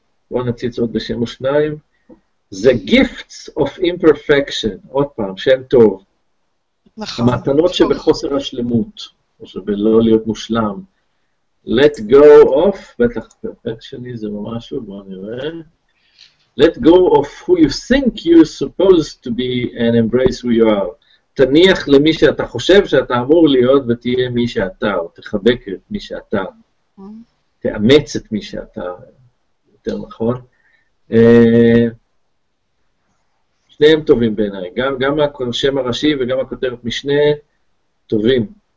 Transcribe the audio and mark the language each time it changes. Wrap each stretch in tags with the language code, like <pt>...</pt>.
<he>בואו נציץ עוד בשם או שניים. The Gifts of Imperfection, עוד פעם, שם טוב. נכון. המתנות שבחוסר השלמות, או שבלא להיות מושלם. Let go of, בטח perfectionism או משהו, בוא נראה.</he> <en>Let go of who you think you supposed to be and embrace who you are.</en> <he>תניח למי שאתה חושב שאתה אמור להיות ותהיה מי שאתה, או תחבק את מי שאתה. תאמץ את מי שאתה, יותר נכון. שניהם טובים בעיניי, גם השם הראשי וגם הכותרת משנה טובים.</he>